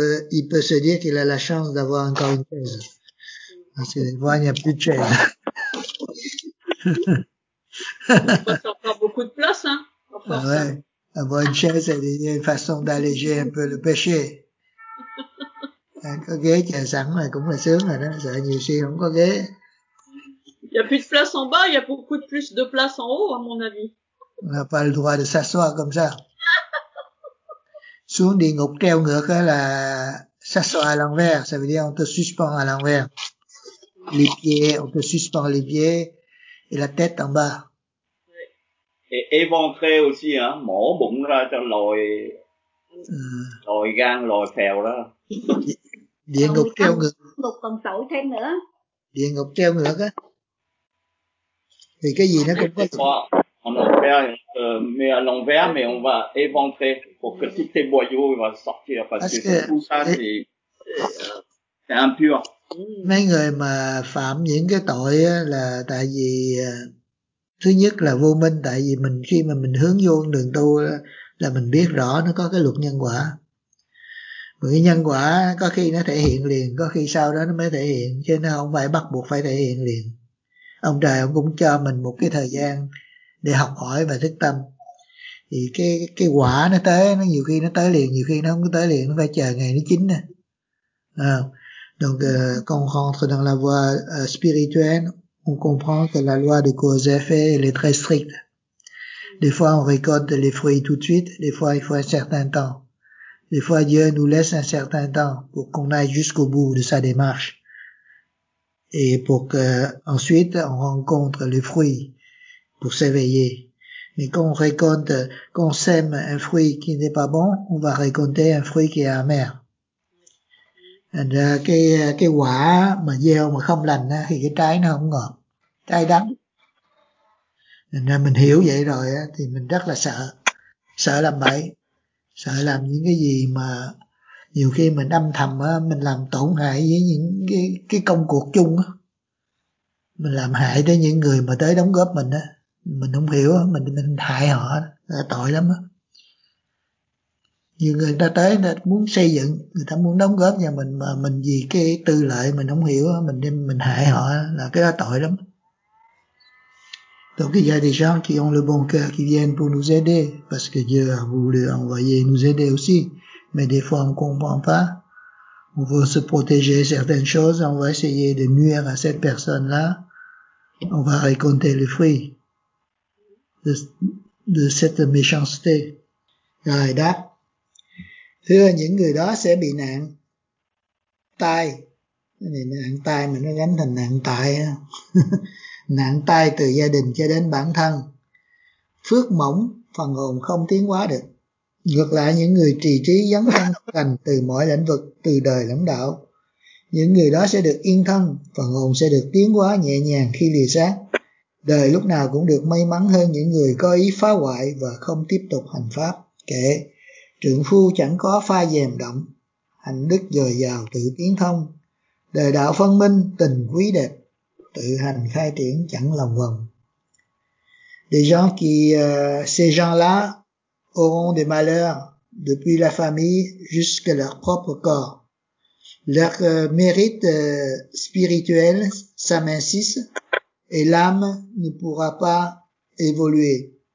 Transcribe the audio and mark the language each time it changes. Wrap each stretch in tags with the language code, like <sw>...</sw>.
<fr>Il peut se dire qu'il a la chance d'avoir encore une chaise. Parce que voilà, il n'y a plus de chaise. Il n'y a pas beaucoup de place, hein. Ah ouais. Avoir une chaise, c'est une façon d'alléger un peu le péché.</fr> <vi>Có ghế chờ sẵn là cũng là sướng rồi đó, sợ nhiều khi không có ghế.</vi> <fr>Il y a plus de place en bas, il y a beaucoup plus de place en haut, à mon avis. On n'a pas le droit de s'asseoir comme ça.</fr> <vi>Xuống địa ngục treo ngược</vi> <fr>là s'asseoir à l'envers, ça veut dire on te suspend à l'envers. Les pieds, on te suspend les pieds et la tête en bas. Et éventré aussi, hein,</fr> <vi>mổ bụng ra cho lòi, lòi gan, lòi phèo đó. Địa ngục treo ngược, ngục còn tội thêm nữa. Địa ngục treo ngược á. Thì cái gì nó cũng có.</vi> <fr>On en fait, mais à l'envers, mais on va éventrer pour que tous tes boyaux vont sortir parce que tout ça c'est impur.</fr> <vi>Mấy người mà phạm những cái tội là tại vì thứ nhất là vô minh, tại vì mình khi mà mình hướng vô đường tu là mình biết rõ nó có cái luật nhân quả. Một cái nhân quả có khi nó thể hiện liền, có khi sau đó nó mới thể hiện, chứ nó không phải bắt buộc phải thể hiện liền. Ông trời ông cũng cho mình một cái thời gian để học hỏi và thức tâm. Thì cái quả nó tới, nó nhiều khi nó tới liền, nhiều khi nó không có tới liền, nó phải chờ ngày nó chín nè.</vi> <fr>Donc, quand on rentre dans la voie spirituelle, on comprend que la loi de cause et effet, elle est très stricte. Des fois, on récolte les fruits tout de suite, des fois, il faut un certain temps. Des fois, Dieu nous laisse un certain temps pour qu'on aille jusqu'au bout de sa démarche. Et pour que, ensuite, on rencontre les fruits pour s'éveiller. Mais quand on récolte, quand on sème un fruit qui n'est pas bon, on va récolter un fruit qui est amer.</fr> <vi>Thành ra cái quả mà gieo mà không lành á, thì cái trái nó không ngọt, cay đắng. Thành ra mình hiểu vậy rồi á, thì mình rất là sợ. Sợ làm bậy, sợ làm những cái gì mà nhiều khi mình âm thầm á, mình làm tổn hại với những cái công cuộc chung á. Mình làm hại tới những người mà tới đóng góp mình á. Mình không hiểu á, mình hại họ á, tội lắm á. Nhiều người ta tới người ta muốn xây dựng, người ta muốn đóng góp nhà mình, mà mình vì cái tư lợi mình không hiểu, mình hại họ là cái đó tội lắm.</vi> <fr>Donc il y a des gens qui ont le bon cœur qui viennent pour nous aider parce que Dieu a voulu envoyer nous aider aussi, mais des fois on comprend pas, on veut se protéger certaines choses, on va essayer de nuire à cette personne là, on va récolter le fruit de cette méchanceté.</fr> <vi>Rồi đó. Thưa những người đó sẽ bị nạn tai, nạn tai mà nó gánh thành nạn tại nạn tai từ gia đình cho đến bản thân, phước mỏng phần hồn không tiến hóa được. Ngược lại những người trì trí dấn thân thành từ mọi lĩnh vực từ đời lãnh đạo, những người đó sẽ được yên thân, phần hồn sẽ được tiến hóa nhẹ nhàng khi lìa xác, đời lúc nào cũng được may mắn hơn những người có ý phá hoại và không tiếp tục hành pháp. Kể trượng phu chẳng có pha dèm động, hành đức dồi dào tự tiến thông, đời đạo phân minh tình quý đẹp, tự hành khai triển chẳng lòng vòng.</vi> <fr>Des gens qui ces gens-là auront des malheurs depuis la famille jusqu'à leur propre corps. Leur mérite spirituel s'amincisse et l'âme ne pourra pas évoluer.</fr>